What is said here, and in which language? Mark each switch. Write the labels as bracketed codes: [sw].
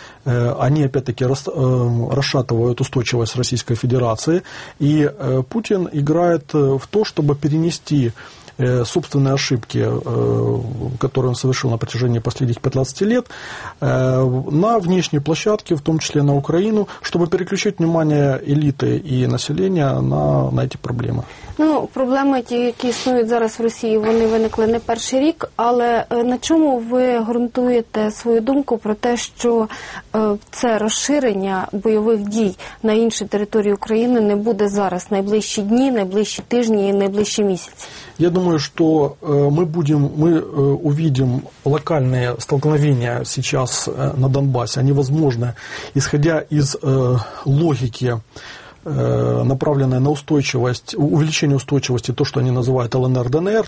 [ru] они опять-таки расшатывают устойчивость Российской Федерации, и Путин играет в то, чтобы перенести собственные ошибки, которые он совершил на протяжении последних 15 лет, на внешней площадке, в том числе на Украину, чтобы переключить внимание элиты и населения на эти проблемы. [uk] Ну, проблемы ті, які існують зараз в Росії, вони виникли не перший рік, але на чому ви ґрунтуєте свою думку про те, що це розширення бойових дій на інші території України не буде зараз, найближчі дні, найближчі тижні і найближчі місяці? [ru] Я думаю, что мы увидим локальные столкновения сейчас на Донбассе. Они возможны, исходя из логики, направленной на устойчивость, увеличение устойчивости, то, что они называют ЛНР-ДНР.